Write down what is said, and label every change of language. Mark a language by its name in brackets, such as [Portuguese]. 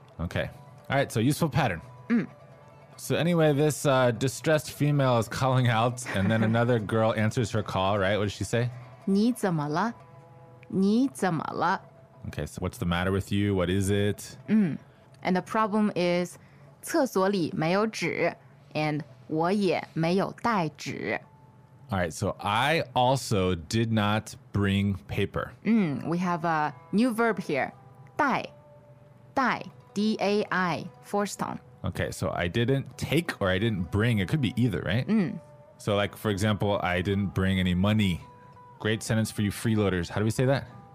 [English] Okay. All right, so useful pattern. Mm. So anyway, this distressed female is calling out, and then another girl answers her call, right? What does she say? [Chinese] 你怎么了?你怎么了? [English] Okay, so what's the matter with you? What is it? And the problem is [Chinese] 厕所里没有纸 and 我也没有带纸。 [English] All right, so I also did not bring paper. We have a new verb here. 带, 带, D-A-I, forced tone. Okay, so I didn't take or I didn't bring. It could be either, right? So like, for example, I didn't bring any money. Great sentence for you freeloaders. How do we say that?